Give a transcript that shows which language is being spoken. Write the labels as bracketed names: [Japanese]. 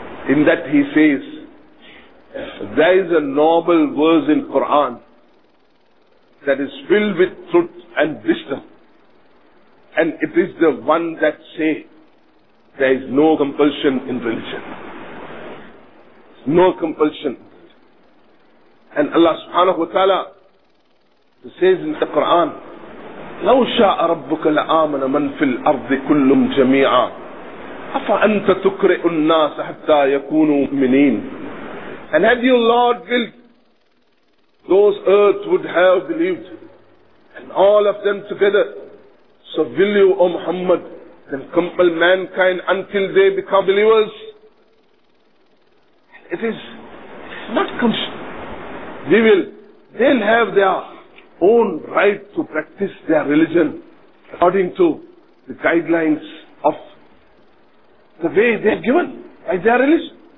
[English] In that he says, there is a noble verse in Quran that is filled with truth and wisdom. And it is the one that says, there is no compulsion in religion. No compulsion. And Allah subhanahu wa ta'ala says in the Quran, [Arabic] لَوْ شَاءَ رَبُّكَ لَآمَنَ مَنْ فِي الْأَرْضِ كُلُّمْ جَمِيعًا أَفَأَنْتَ تُكْرِئُ النَّاسَ حَتَّى يَكُونُوا مُؤْمِنِينَ. [English] And had you, Lord, willed, those earth would have believed, and all of them together. So will you, O Muhammad, then compel mankind until they become believers? It is not compulsion. We will, they'll have their own right to practice their religion according to the guidelines of the way they are given by their religion.